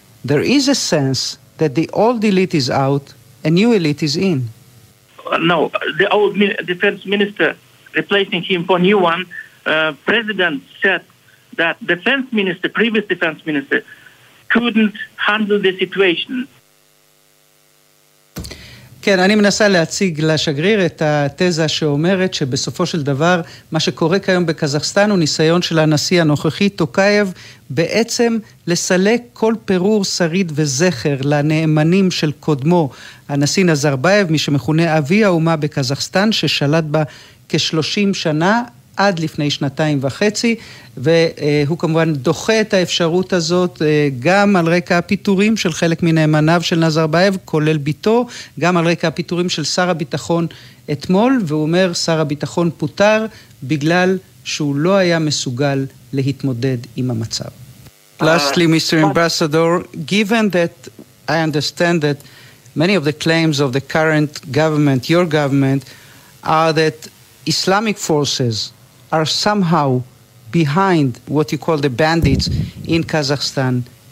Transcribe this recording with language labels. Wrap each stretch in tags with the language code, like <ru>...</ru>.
<en>There is a sense that the old elite is out, a new elite is in. No, the old defense minister replacing him for new one. President said that defense minister, previous defense minister, couldn't handle the situation.</en> <he>כן, אני מנסה להציג לשגריר את התזה שאומרת שבסופו של דבר מה שקורה כיום בקזחסטן הוא ניסיון של הנשיא הנוכחי טוקייב בעצם לסלק כל פירור שריד וזכר לנאמנים של קודמו, הנשיא נזרבייב, מי שמכונה אבי האומה בקזחסטן, ששלט בה כ-30 שנה עד לפני שנתיים וחצי, והוא כמובן דוחה את האפשרות הזאת, גם על רקע הפיתורים של חלק מנאמניו של נזרבייב, כולל ביתו, גם על רקע הפיתורים של שר הביטחון אתמול, והוא אומר שר הביטחון פוטר, בגלל שהוא לא היה מסוגל להתמודד עם המצב.</he> <en>Lastly, Mr. Ambassador, given that I understand that many of the claims of the current government, your government, are that Islamic forces are somehow behind what you call the bandits in Kazakhstan.</en>